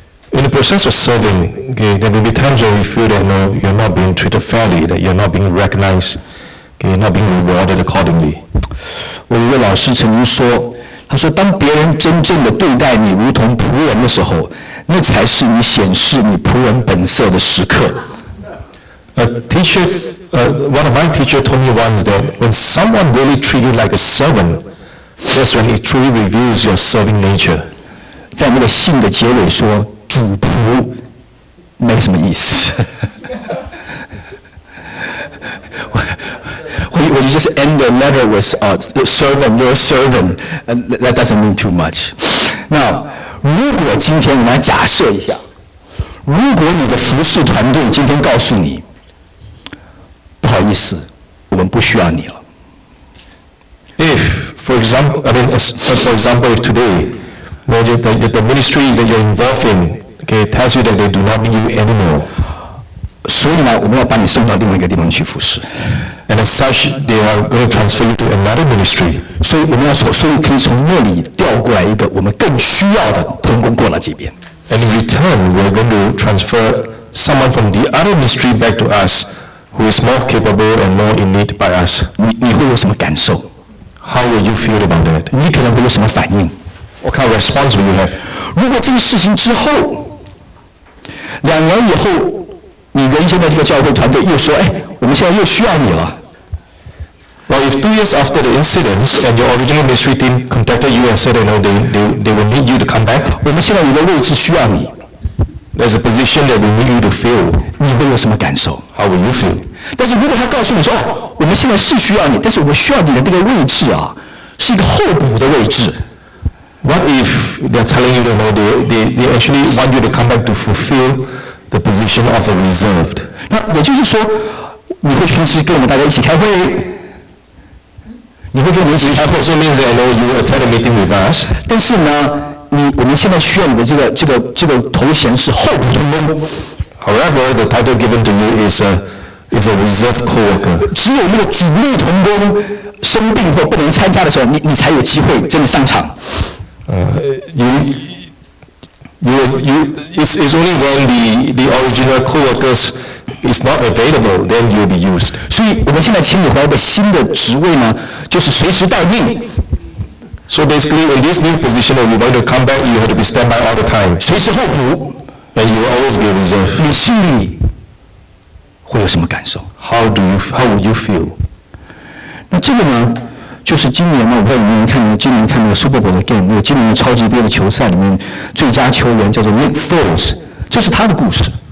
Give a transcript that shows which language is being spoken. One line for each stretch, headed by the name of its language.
English: In the process of serving, okay, there may be times when we feel that no, you're not being treated fairly, that you're not being recognized, okay, not being rewarded accordingly.
Chinese: 我一位老师曾经说，他说，当别人真正的对待你如同仆人的时候，那才是你显示你仆人本色的时刻。
English: One of my teachers told me once that when someone really treats you like a servant, that's when it truly reveals your serving nature.
Chinese: 在那个信的结尾说。主仆没什么意思我
English: you just end the letter with servant, your servant, and that doesn't mean too much. Now,
Chinese: 如果今天我们来假设一下，如果你的服事团队今天告诉你，不好意思，我们不需要你了。
English: If, for example, if today, the ministry that you're involved in,Okay, tells you that they do not need you anymore.
Chinese: 所以呢，我们要把你送到另外一个地方去服事。
English: And as such, they are going to transfer you to another ministry.
Chinese: 所以我们要从，所以可以从那里调过来一个我们更需要的同工过来这边。
English: And in return, we're going to transfer someone from the other ministry back to us, who is more capable and more in need by us.
Chinese: 你会有什么感受
English: ？How will you feel about that?
Chinese: 你可能会有什么反应
English: ？What kind of response will you have?
Chinese: 如果这个事情之后。两年以后，你原先的这个教会团队又说：“哎，我们现在又需要你了。”
English: Well, if 2 years after the incident and your original ministry team contacted you and said, "You know, they will need you to come back,"
Chinese: 我们现在有个位置需要你。
English: There's a position that we need you to fill.
Chinese: 你会有什么感受
English: ？How will you feel?
Chinese: 但是如果他告诉你说：“哦，我们现在是需要你，但是我们需要你的那个位置啊，是一个候补的位置。”
English: What if they're telling you, you know, they actually want you to come back to fulfill the position of a reserved?
Chinese: 那也就是说，你会平时跟我们大家一起开会，你会跟我们一起开会。
English: So means that, you know, you attend a meeting with us.
Chinese: 但是呢，我们现在需要你的这个头衔是候补同工。
English: However, the title given to you is a reserved coworker.
Chinese: 只有那个主力同工生病或不能参加的时候，你才有机会真的上场。
English: It's only when the original co-workers is not available, then you'll be used.
Chinese: 所以我们现在请你回来的新的职位呢，就是随时待命。
English: So basically, in this new position, if you want to come back, you have to be standby all the time.
Chinese: 随时候补。
English: And you will always be a reserve.
Chinese: 你心里会有什么感受
English: ？How will you feel?
Chinese: 那这个呢？就是今年嘛，我不知道你们看今年看那个 Super Bowl 的 game， 今年的超级杯的球赛里面最佳球员叫做 Nick Foles， 这是他的故事。